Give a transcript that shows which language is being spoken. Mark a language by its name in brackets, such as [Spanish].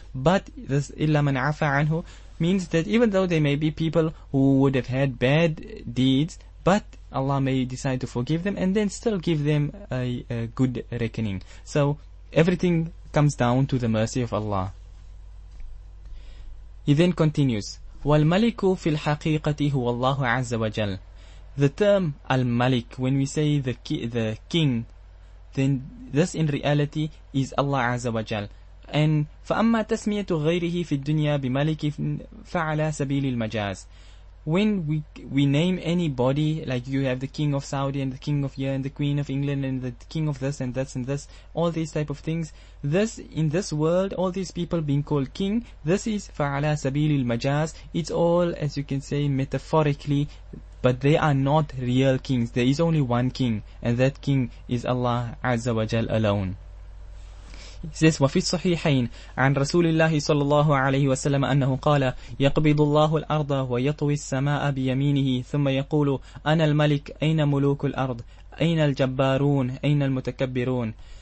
[English] But this illa man afa anhu means that even though they may be people who would have had bad deeds, but Allah may decide to forgive them and then still give them a good reckoning. So everything comes down to the mercy of Allah. He then continues, [Arabic] وَالْمَلِكُ فِي الْحَقِيقَةِ هُوَ اللَّهُ عَزَّ وَجَلَّ. [English] The term al-malik, when we say the king, then this in reality is Allah Azza wa Jal. [Arabic] And فَأَمَّا تَسْمِيَةُ غَيْرِهِ فِي الدُّنْيَا بِمَلِكِ فَعَلَى سَبِيلِ الْمَجَازِ. [English] When we name anybody, like you have the king of Saudi and the king of here and the queen of England and the king of this and that and this, all these type of things, this in this world, all these people being called king, this is [Arabic] fa'ala sabilil majaz. [English] It's all, as you can say, metaphorically, but they are not real kings. There is only one king, and that king is Allah Azza wa Jal alone. It says, [Arabic] وفي الصحيحين عن رسول الله صلى الله عليه وسلم أنه قال يقبض الله الأرض ويطوي السماء بيمينه ثم يقول أنا الملك أين ملوك الأرض أين الجبارون أين المتكبرون.